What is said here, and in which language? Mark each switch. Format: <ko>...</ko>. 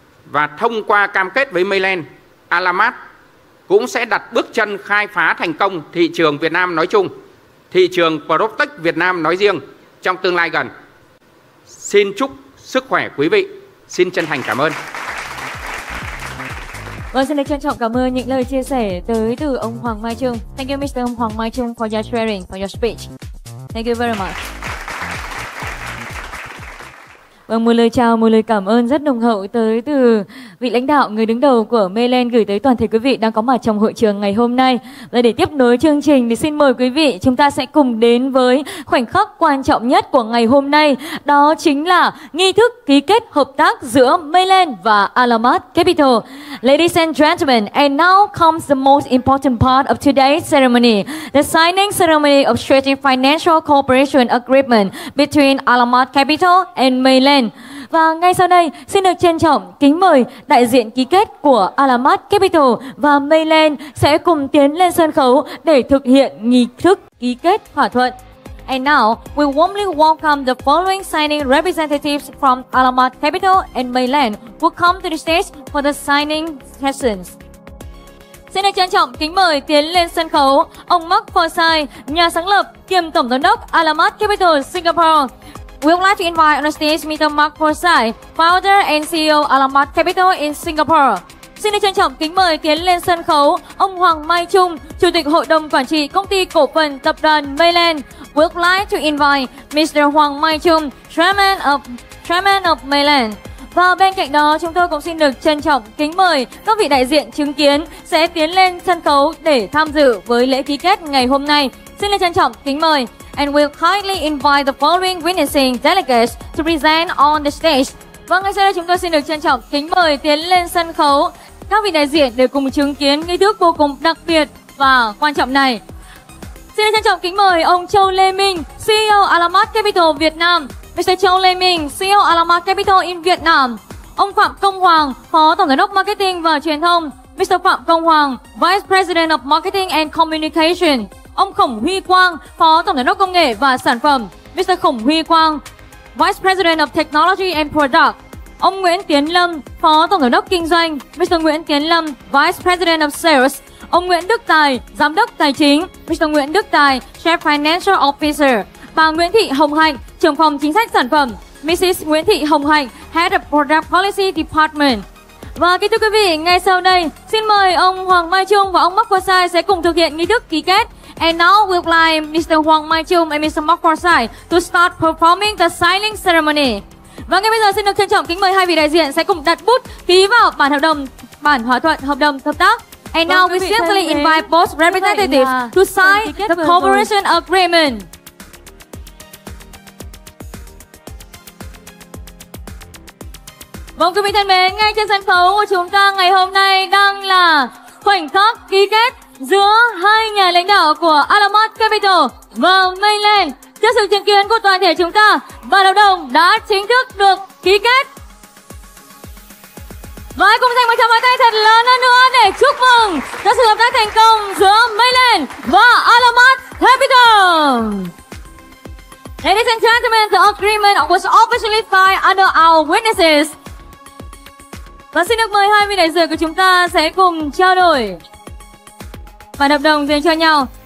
<vi>Và thông qua cam kết với Mayland, Alamat cũng sẽ đặt bước chân khai phá thành công thị trường Việt Nam nói chung, thị trường PropTech Việt Nam nói riêng trong tương lai gần. Xin chúc sức khỏe quý vị. Xin chân thành cảm ơn. Vâng, xin được trân trọng cảm ơn những lời chia sẻ tới từ ông Hoàng Mai Trung.</vi> <en>Thank you Mr. Hoàng Mai Trung for your sharing, for your speech. Thank you very much.</en> <vi>Vâng, một lời chào, một lời cảm ơn rất nồng hậu tới từ vị lãnh đạo, người đứng đầu của Mayland gửi tới toàn thể quý vị đang có mặt trong hội trường ngày hôm nay. Và để tiếp nối chương trình thì xin mời quý vị chúng ta sẽ cùng đến với khoảnh khắc quan trọng nhất của ngày hôm nay. Đó chính là nghi thức ký kết hợp tác giữa Mayland và Alamat Capital.</vi> <en>Ladies and gentlemen, and now comes the most important part of today's ceremony. The signing ceremony of strategic financial cooperation agreement between Alamat Capital and Mayland.</en> <vi>Và ngay sau đây, xin được trân trọng kính mời đại diện ký kết của Alamat Capital và Mayland sẽ cùng tiến lên sân khấu để thực hiện nghi thức ký kết thỏa thuận.</vi> <en>And now, we warmly welcome the following signing representatives from Alamat Capital and Mayland who come to the stage for the signing sessions.</en> <vi>Xin được trân trọng kính mời tiến lên sân khấu ông Mark Forsyth, nhà sáng lập kiêm tổng giám đốc Alamat Capital Singapore.</vi> <en>We would like to invite on the stage Mr. Mark Forsyth, founder and CEO Alamat Capital in Singapore.</en> <vi>Xin trân trọng kính mời tiến lên sân khấu ông Hoàng Mai Trung, chủ tịch hội đồng quản trị công ty cổ phần tập đoàn Mayland.</vi> <en>We would like to invite Mr. Hoàng Mai Trung, chairman of Mayland.</en> <vi>Và bên cạnh đó, chúng tôi cũng xin được trân trọng kính mời các vị đại diện chứng kiến sẽ tiến lên sân khấu để tham dự với lễ ký kết ngày hôm nay. Xin trân trọng kính mời.</vi> <en>And we'll kindly invite the following witnessing delegates to present on the stage.</en> <vi>Và ngay sau đây chúng tôi xin được trân trọng kính mời tiến lên sân khấu các vị đại diện để cùng chứng kiến nghi thức vô cùng đặc biệt và quan trọng này. Xin trân trọng kính mời ông Châu Lê Minh, CEO Alamat Capital Việt Nam. Mr. Châu Lê Minh,</vi> <en>CEO Alamat Capital in Vietnam.</en> <vi>Ông Phạm Công Hoàng, Phó Tổng Giám đốc Marketing và Truyền thông</vi> <en>Mr. Phạm Công Hoàng, Vice President of Marketing and Communication.</en> <vi>Ông Khổng Huy Quang, Phó Tổng Giám đốc Công nghệ và Sản phẩm.</vi> <en>Mr. Khổng Huy Quang, Vice President of Technology and Product.</en> <vi>Ông Nguyễn Tiến Lâm, Phó Tổng Giám đốc Kinh doanh. Mr. Nguyễn Tiến Lâm,</vi> <en>Vice President of Sales.</en> <vi>Ông Nguyễn Đức Tài, Giám đốc Tài chính. Mr. Nguyễn Đức Tài,</vi> <en>Chief Financial Officer.</en> <vi>Bà Nguyễn Thị Hồng Hạnh, Trưởng phòng Chính sách Sản phẩm. Mrs. Nguyễn Thị Hồng Hạnh,</vi> <en>Head of Product Policy Department.</en> <vi>Và kính thưa quý vị, ngay sau đây, xin mời ông Hoàng Mai Trung và ông Mark Forsyth sẽ cùng thực hiện nghi thức ký kết.</vi> <en>And now we'll like Mr. Hoàng Mai Trung and Mr. Mark Forsyth to start performing the signing ceremony.</en> <vi>Và ngay bây giờ xin được trân trọng kính mời hai vị đại diện sẽ cùng đặt bút ký vào bản hợp đồng, bản hòa thuận hợp đồng hợp tác.</vi> <en>And now we simply invite both representatives to sign the cooperation agreement.</en> <vi>Vâng, quý vị thân mến, ngay trên sân khấu của chúng ta ngày hôm nay đang là khoảnh khắc ký kết giữa hai nhà lãnh đạo của Alamod Capital và Mainland. Trước sự chứng kiến của toàn thể chúng ta, bản hợp đồng đã chính thức được ký kết. Và hãy cùng dành một tràng pháo tay thật lớn hơn nữa để chúc mừng cho sự hợp tác thành công giữa Mainland và Alamod Capital.</vi> <en>Ladies and gentlemen, the agreement was officially signed under our witnesses.</en> <vi>Và xin được mời hai vị đại diện của chúng ta sẽ cùng trao đổi bản hợp đồng dành cho nhau.</vi>